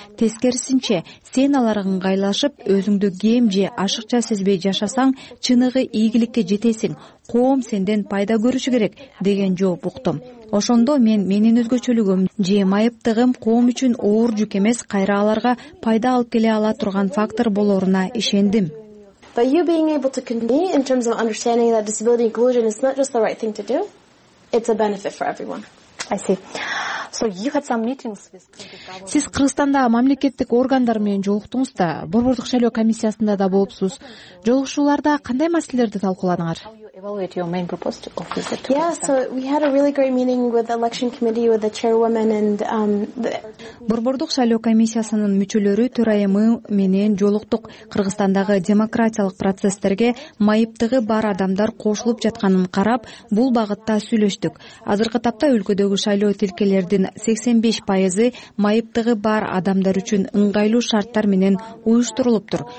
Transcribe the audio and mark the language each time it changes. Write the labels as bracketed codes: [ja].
[ky] Тескерисинче, сен аларга ыңгайлашып, өзүңдү кем же ашыкча сезбей жашасаң, чыныгы ийгиликке жетесиң. Коом сенден пайда көрүшү керек деген жооп уктум. Ошондо мен менин өзгөчөлүгүм же майыптыгым коом үчүн оор жүк эмес, кайра аларга пайда алып келе ала турган фактор болоруна ишендим. [en] But you being able to convey in terms of understanding that disability inclusion is not just the right thing to do, it's a benefit for everyone. I see. So you had some meetings with [ky] Сиз Кыргызстанда мамлекеттик органдар менен жолуктуңуз да, борбордук шайлоо комиссиясында да болупсуз. Жолугушууларда кандай маселелерди талкууладыңар? [en] Evaluate your main proposal of this. Yeah, so we had a really great meeting with the election committee with the chairwoman and [ky] Борбордук шайлоо комиссиясынын мүчөлөрү төрайымы менен жолуктук. Кыргызстандагы демократиялык процесстерге майыптыгы бар адамдар кошулуп жатканын карап, бул багытта сүйлөштүк. Азыркы тапта өлкөдөгү шайлоо тилкелердин 85% майыптыгы бар адамдар үчүн ыңгайлуу шарттар менен уюштурулуптур.